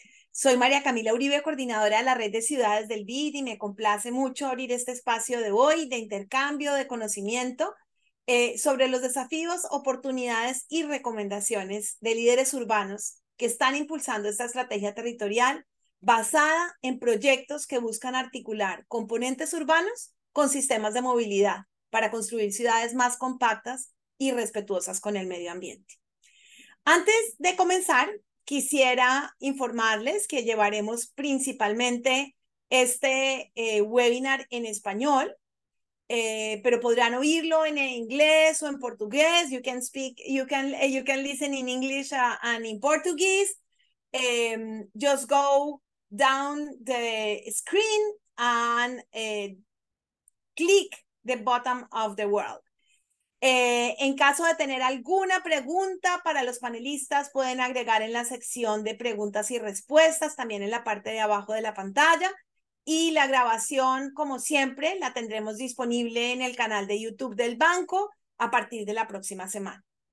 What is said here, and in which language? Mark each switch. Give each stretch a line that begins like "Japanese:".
Spanish: Soy María Camila Uribe, coordinadora de la red de ciudades del BID, y me complace mucho abrir este espacio de hoy de intercambio de conocimiento sobre los desafíos, oportunidades y recomendaciones de líderes urbanos que están impulsando esta estrategia territorial basada en proyectos que buscan articular componentes urbanos con sistemas de movilidad para construir ciudades más compactas y respetuosas con el medio ambiente. Antes de comenzar, quisiera informarles que llevaremos principalmente este webinar en español, pero podrán oírlo en inglés o en portugués.
English: You can listen in English and in Portuguese. Just go down the screen and click the bottom of the world.
Spanish: En caso de tener alguna pregunta para los panelistas, pueden agregar en la sección de preguntas y respuestas, también en la parte de abajo de la pantalla. Y la grabación, como siempre, la tendremos disponible en el canal de YouTube del banco a partir de la próxima semana.